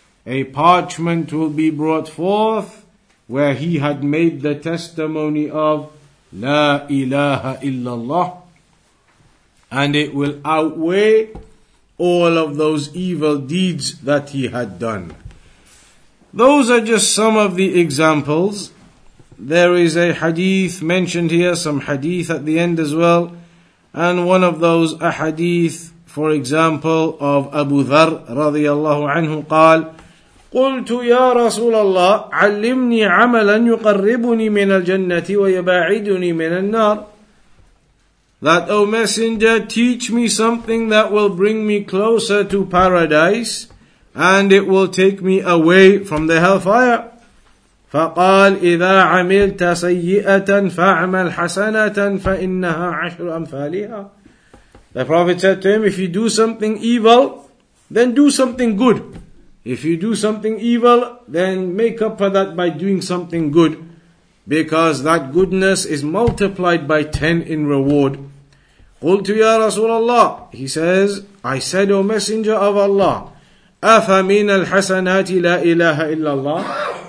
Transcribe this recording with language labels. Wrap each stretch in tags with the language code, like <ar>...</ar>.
<en>A parchment will be brought forth where he had made the testimony of La ilaha illallah. And it will outweigh all of those evil deeds that he had done. Those are just some of the examples. There is a hadith mentioned here, some hadith at the end as well. And one of those, a hadith, for example, of Abu Dharr radiyallahu anhu,</en> <ar>قال قلت يا رسول الله علمني عملا يقربني من الجنة ويباعدني من النار.</ar> <en>That, O Messenger, teach me something that will bring me closer to paradise and it will take me away from the hellfire.</en> <ar>فقال إذا عملت سيئة فعمل حسنة فإنها عشر أمثالها.</ar> <en>The Prophet said to him, if you do something evil, then do something good. If you do something evil, then make up for that by doing something good. Because that goodness is multiplied by 10 in reward.</en> <ar>قُلْتُ يَا رَسُولَ اللَّهِ.</ar> <en>He says, I said, O Messenger of Allah,</en> <ar>أَفَمِنَ الْحَسَنَاتِ لَا إِلَهَ إِلَّا اللَّهِ.</ar>